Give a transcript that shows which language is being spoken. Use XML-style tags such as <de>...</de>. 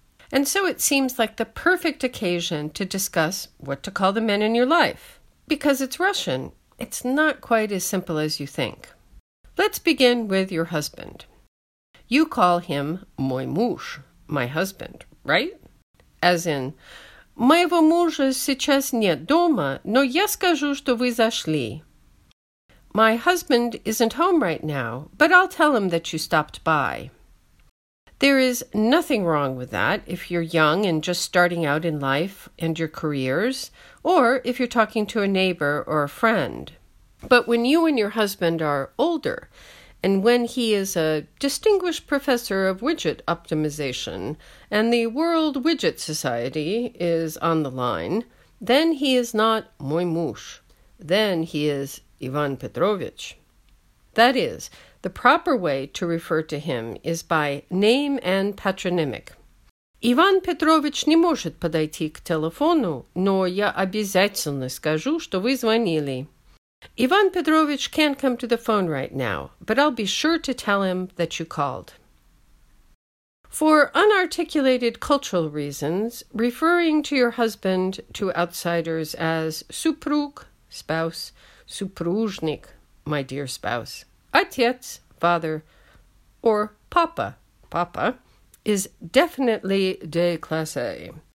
<en>And so it seems like the perfect occasion to discuss what to call the men in your life. Because it's Russian, it's not quite as simple as you think. Let's begin with your husband. You call him</en> <ru>мой муж,</ru> <en>my husband, right?</en> <ru>As in, моего мужа сейчас нет дома, но я скажу, что вы зашли.</ru> <en>My husband isn't home right now, but I'll tell him that you stopped by. There is nothing wrong with that if you're young and just starting out in life and your careers, or if you're talking to a neighbor or a friend. But when you and your husband are older, and when he is a distinguished professor of widget optimization, and the World Widget Society is on the line, then he is not</en> <ru>мой муж.</ru> <en>Then he is Ivan Petrovich. That is, the proper way to refer to him is by name and patronymic.</en> <ru>Ivan Petrovich не может подойти к телефону, но я обязательно скажу, что вы звонили.</ru> <en>Ivan Petrovich can't come to the phone right now, but I'll be sure to tell him that you called. For unarticulated cultural reasons, referring to your husband to outsiders as супруг, spouse, супружник, my dear spouse, отец, father, or папа, папа, is definitely de classe.</en>